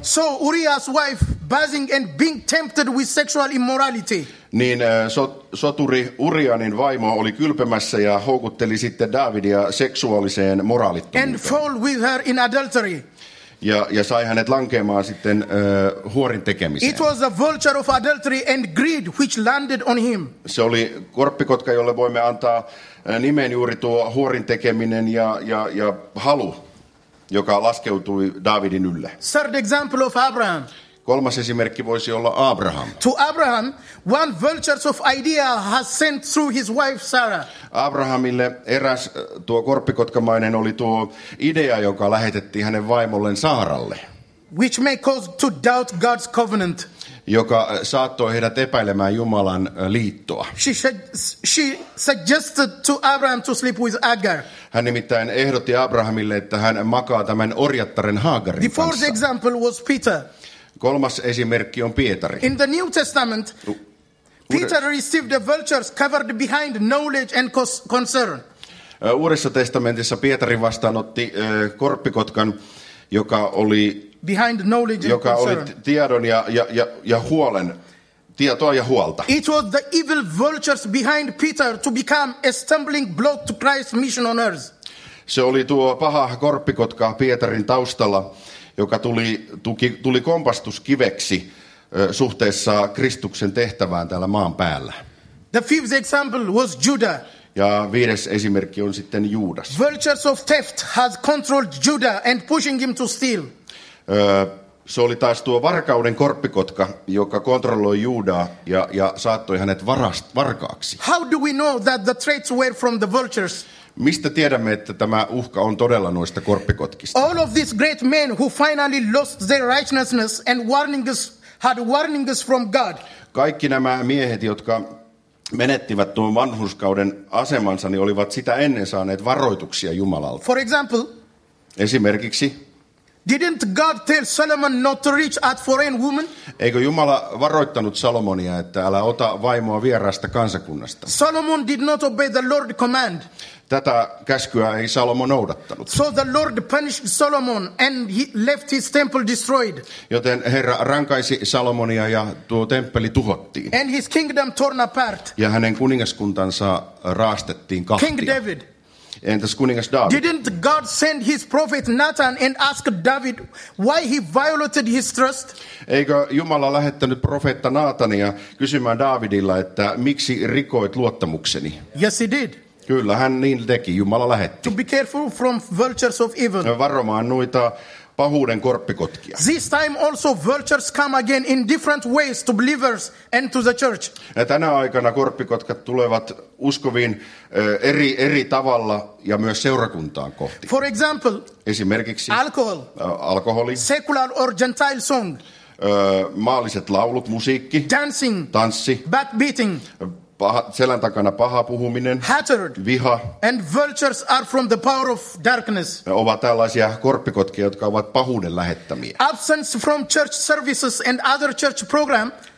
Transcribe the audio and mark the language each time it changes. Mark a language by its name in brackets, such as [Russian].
[English] So Uriah's wife buzzing and being tempted with sexual immorality. [Finnish] Niin soturi Uriahin vaimo oli kylpemässä ja houkutteli sitten Davidia seksuaaliseen moraalittomuuteen. [English] And fall with her in adultery. [Finnish] Ja sai hänet lankeamaan sitten huorin tekemiseen. [English] It was a vulture of adultery and greed which landed on him. [Finnish] Se oli korppikotka, jolle voimme antaa nimen juuri tuo huorin tekeminen ja halu, joka laskeutui Davidin ylle. [English] Third example of Abraham. [Finnish] Kolmas esimerkki voisi olla Abraham. [English] To Abraham, one vulture of idea has sent through his wife Sarah. [Finnish] Abrahamille eräs tuo korppikotkamainen oli tuo idea, joka lähetettiin hänen vaimolleen Saaralle. [English] Which may cause to doubt God's covenant. [Finnish] Joka saattoi heidät epäilemään Jumalan liittoa. [English] She suggested to Abraham to sleep with Agar. [Finnish] Hän nimittäin ehdotti Abrahamille, että hän makaa tämän orjattaren Hagarin kanssa. [English] The fourth example was Peter. [Finnish] Kolmas esimerkki on Pietari. [English] In the New Testament, Peter received the vultures covered behind knowledge and concern. [Finnish] Uudessa testamentissa Pietari vastaanotti korppikotkan, joka oli [English] behind knowledge, [Finnish] joka oli tiedon ja huolen, tietoa ja huolta. [English] It was the evil vultures behind Peter to become a stumbling block to Christ's mission on earth. [Finnish] Se oli tuo paha korppikotka Pietarin taustalla, joka tuli kompastuskiveksi suhteessa Kristuksen tehtävään täällä maan päällä. [English] The fifth example was Judah. [Finnish] Ja viides esimerkki on sitten Juudas. [English] Vultures of theft has controlled Judah and pushing him to steal. [Finnish] Se oli taas tuo varkauden korppikotka, joka kontrolloi Juudaa ja saattoi hänet varkaaksi. [English] How do we know that the threats were from the vultures? [Finnish] Mistä tiedämme, että tämä uhka on todella noista korppikotkista? [English] All of these great men who finally lost their righteousness and warnings had warnings from God. [Finnish] Kaikki nämä miehet, jotka menettivät tuon vanhurskauden asemansa, niin olivat sitä ennen saaneet varoituksia Jumalalta. [English] For example, [Finnish] esimerkiksi, [English] didn't God tell Solomon not to reach at foreign women? [Finnish] Eikö Jumala varoittanut Salomonia, että älä ota vaimoa vieraasta kansakunnasta? [English] Solomon did not obey the Lord's command. [Finnish] Tätä käskyä ei Salomo noudattanut. [English] So the Lord punished Solomon and he left his temple destroyed. [Finnish] Joten Herra rankaisi Salomonia ja tuo temppeli tuhottiin. [English] And his kingdom torn apart. [Finnish] Ja hänen kuningaskuntansa raastettiin kahtia. [English] King David. [Finnish] Entäs kuningas David? [English] Didn't God send his prophet Nathan and ask David why he violated his trust? [Finnish] Eikö Jumala lähettänyt profeetta Nathania kysymään Davidilla, että miksi rikoit luottamukseni? [English] Yes, he did. [Finnish] Kyllä, hän niin teki. Jumala lähetti. [English] To be careful from vultures of evil. [Finnish] Varomaan noita pahuuden korppikotkia. [English] This time also vultures come again in different ways to believers and to the church. [Finnish] Ja tänä aikana korppikotkat tulevat uskoviin eri tavalla ja myös seurakuntaan kohti. [English] For example, [Finnish] esimerkiksi [English] alcohol. [Finnish] Alkoholi. [English] Secular or gentile song. [Finnish] Maalliset laulut, musiikki. [English] Dancing. [Finnish] Tanssi. [English] Back beating. [Finnish] Selän takana paha puhuminen, [English] hatred, [Finnish] viha, [English] and vultures are from the power of darkness. [Finnish] Ovat tällaisia korppikotkia, jotka ovat pahuuden lähettämiä. [English] Absence from church services and other church program.